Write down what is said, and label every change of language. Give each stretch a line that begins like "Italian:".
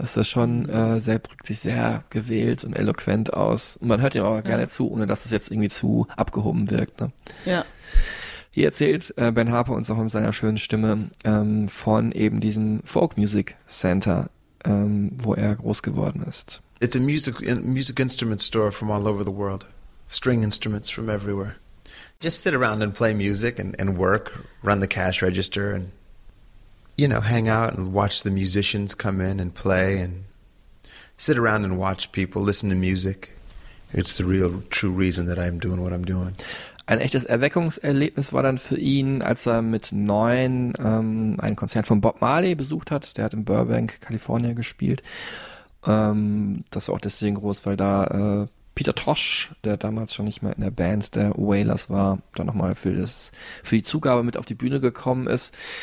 German: Ist das schon drückt sich sehr gewählt und eloquent aus. Und man hört ihm aber gerne zu, ohne dass es jetzt irgendwie zu abgehoben wirkt. Ne? Ja. Hier erzählt Ben Harper uns auch mit seiner schönen Stimme von eben diesem Folk Music Center, wo er groß geworden ist.
English: It's a music instrument store from all over the world. String instruments from everywhere. Just sit around and play music and work, run the cash register and, you know, hang out and watch the musicians come in and play and sit around and watch people, listen to music. It's the real, true reason that I'm doing what I'm doing.
German: Ein echtes Erweckungserlebnis war dann für ihn, als er mit 9 ein Konzert von Bob Marley besucht hat. Der hat in Burbank, Kalifornien gespielt. Das war auch deswegen groß, weil da Peter Tosh, der damals schon nicht mehr in der Band der Wailers war, da nochmal für die Zugabe mit auf die Bühne gekommen ist.